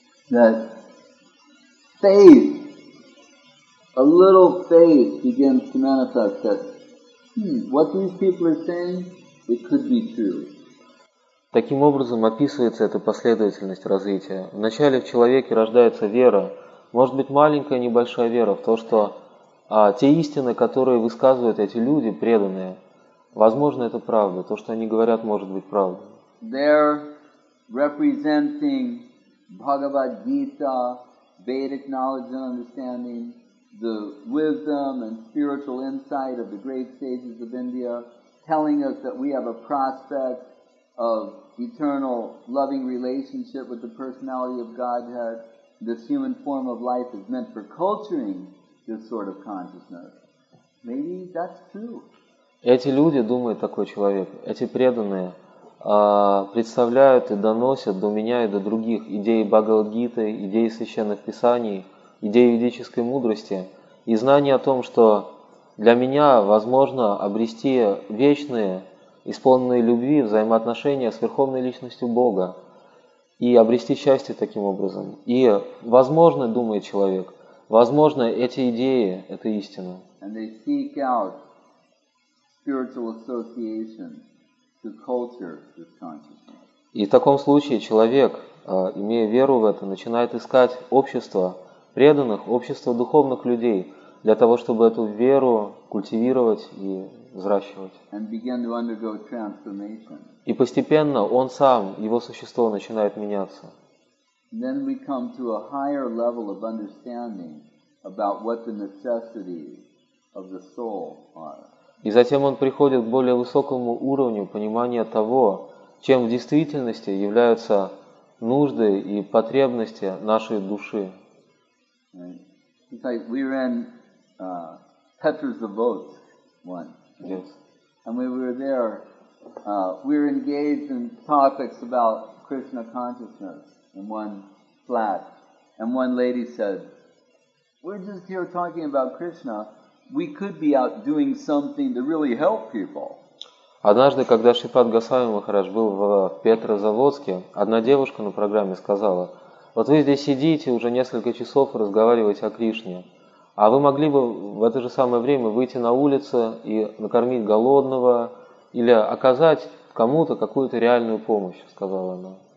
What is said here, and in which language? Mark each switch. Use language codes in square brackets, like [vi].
[en] That faith, a little faith begins to manifest that what these people are saying, it could be true. [ru] Таким образом описывается эта последовательность развития. Вначале в человеке рождается вера, может быть маленькая небольшая вера в то, что те истины, которые высказывают эти люди, преданные, возможно, это правда. То, что они говорят, может быть правдой. [en] They're representing Bhagavad Gita, Vedic knowledge and understanding, the wisdom and spiritual insight of the great sages of India, telling us that we have a prospect of eternal loving relationship with the personality of Godhead. This human form of life is meant for culturing this sort of consciousness. Maybe that's true. [ru] Эти люди, думает такой человек, эти преданные, представляют и доносят до меня и до других идеи Бхагавад-гиты, идеи священных писаний, идеи ведической мудрости и знания о том, что для меня возможно обрести вечные, исполненные любви, взаимоотношения с Верховной Личностью Бога и обрести счастье таким образом. И возможно, думает человек, возможно, эти идеи – это истина. [en] And they seek out spiritual association to culture this consciousness. [ru] И в таком случае человек, имея веру в это, начинает искать общество преданных, общество духовных людей для того, чтобы эту веру культивировать и взращивать. [en] And begin to undergo transformation. [ru] И постепенно он сам, его существо начинает меняться. [en] And then we come to a higher level of understanding about what the necessities of the soul are. [ru] И затем он приходит к более высокому уровню понимания того, чем в действительности являются нужды и потребности нашей души. [en] It's like we were in Petrozavodsk once. Yes. And we were there, we were engaged in topics about Krishna consciousness in one flat, and one lady said, "We're just here talking about Krishna. We could be out doing something to really help people." [ru] Однажды, когда Шипад Гасвами Махарадж был в Петрозаводске, одна девушка на программе сказала: "Вот вы здесь сидите уже несколько часов и разговариваете о Кришне, а вы могли бы в это же самое время выйти на улицу и накормить голодного или оказать кому-то какую-то реальную помощь", сказала она.